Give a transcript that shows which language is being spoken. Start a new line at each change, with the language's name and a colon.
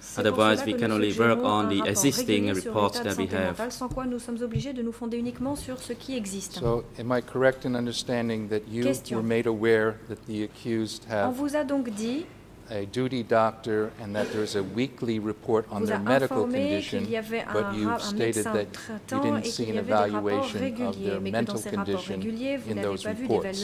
English: Otherwise, we can only work on the existing reports that we have.
French: Sans quoi nous sommes obligés de nous fonder uniquement sur ce qui existe.
English: So, am I correct in understanding that you were made aware that the accused have
French: on vous a donc dit
English: a duty doctor and that there is a weekly report on their medical condition, but you've stated that you didn't see an evaluation of their mental condition in those reports.